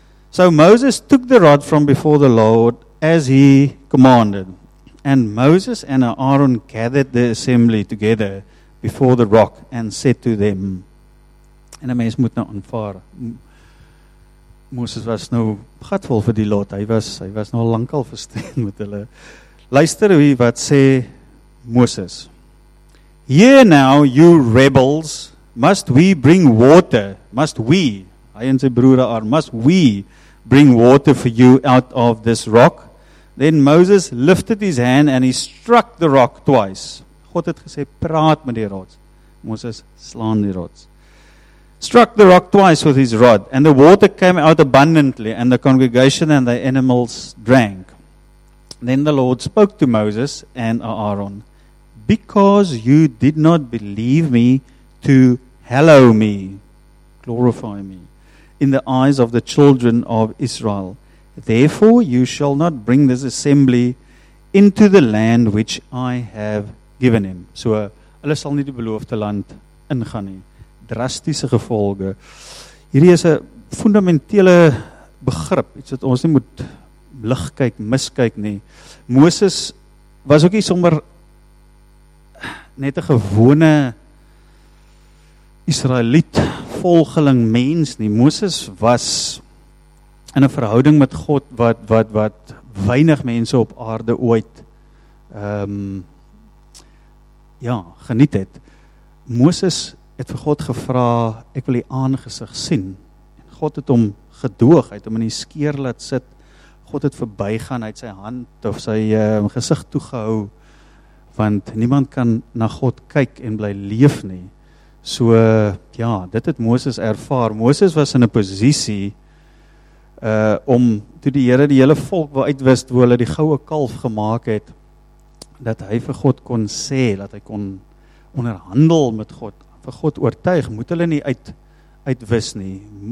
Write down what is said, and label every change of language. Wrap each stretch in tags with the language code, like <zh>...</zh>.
<en>So Moses took the rod from before the Lord as he commanded, and Moses and Aaron gathered the assembly together before the rock and said to them,"</en> <af>en 'n mens moet nou aanvaar, Moses was nou gatvol vir die lot. Hy was nou lankal verstaan met hulle. Luister wie wat sê Moses.</af> <en>Here now you rebels, must we bring water? Must we?</en> <af>Hy en sy broer</af> <en>Aaron, must we bring water for you out of this rock? Then Moses lifted his hand and he struck the rock twice.</en> <af>God het gesê praat met die rots. Moses slaan die rots.</af> <en>Struck the rock twice with his rod, and the water came out abundantly, and the congregation and the animals drank. Then the Lord spoke to Moses and Aaron, because you did not believe me to hallow me, glorify me, in the eyes of the children of Israel. Therefore you shall not bring this assembly into the land which I have given him.</en> <af>So, hulle sal nie die beloofde land ingaan nie. Drastiese gevolge. Hierdie is 'n fundamentele begrip, iets wat ons nie moet lig kyk, miskyk nie. Moses was ook nie sommer net 'n gewone Israeliet volgeling mens nie. Moses was in 'n verhouding met God wat weinig mense op aarde ooit geniet het. Moses het vir God gevra, ek wil die aangesig sien. En God het hom gedoog, hy het hom in die skeer laat sit. God het verbygaan, hy het sy hand of sy gesig toegehou, want niemand kan na God kyk en bly leef nie. So, ja, dit het Moses ervaar. Moses was in 'n posisie om toe die Here die hele volk wou uitwis, hoe hulle die goue kalf gemaak het, dat hy vir God kon sê, dat hy kon onderhandel met God, vir God oortuig, moet hulle nie uitwis nie.</af>